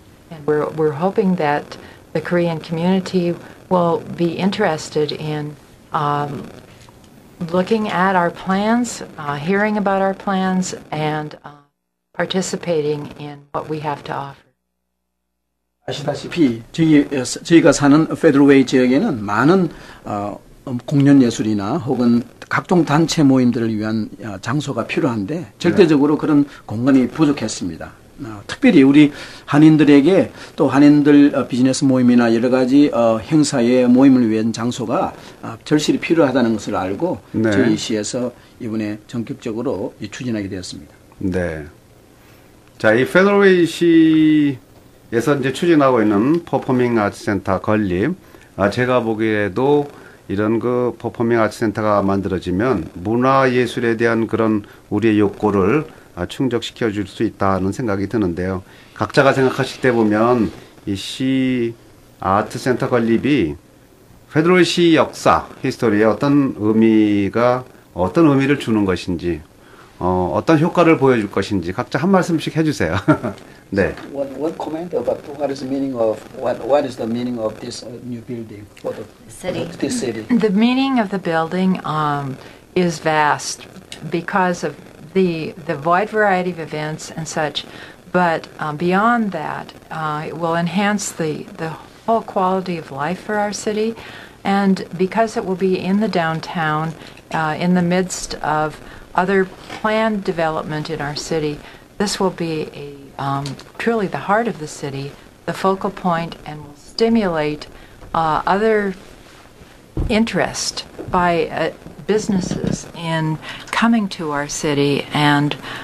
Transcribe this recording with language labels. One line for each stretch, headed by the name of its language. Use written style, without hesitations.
English: And we're hoping that the Korean community will be interested in looking at our plans, hearing about our plans, and participating in what we have to offer.
Korean: 아시다시피 저희가 사는 페더웨이 지역에는 많은 공연 예술이나 혹은 각종 단체 모임들을 위한 장소가 필요한데 절대적으로 그런 공간이 부족했습니다. 특별히 우리 한인들에게 또 한인들 비즈니스 모임이나 여러 가지 행사에 모임을 위한 장소가 절실히 필요하다는 것을 알고 네. 저희 시에서 이번에 전격적으로 추진하게 되었습니다. 네. 자, 이 페더웨이 시에서 이제 추진하고 있는 퍼포밍 아트 센터 건립. 아, 제가 보기에도 이런 그 퍼포밍 아트 센터가 만들어지면 문화 예술에 대한 그런 우리의 욕구를 충족시켜 줄 수 있다는 생각이 드는데요. 각자가 생각하실 때 보면 이 시 아트 센터 건립이 페더웨이 시 역사, 히스토리에 어떤 의미가, 어떤 의미를 주는 것인지, 어떤 효과를 보여줄 것인지 각자 한 말씀씩 해주세요. 네.
English: What comment about what is the meaning of what is the meaning of this new building for the city? This city. The meaning of the building is vast because of the wide variety of events and such. But beyond that, it will enhance the whole quality of life for our city, and because it will be in the downtown, in the midst of other planned development in our city, this will be a truly the heart of the city, the focal point, and will stimulate other interest by businesses in coming to our city and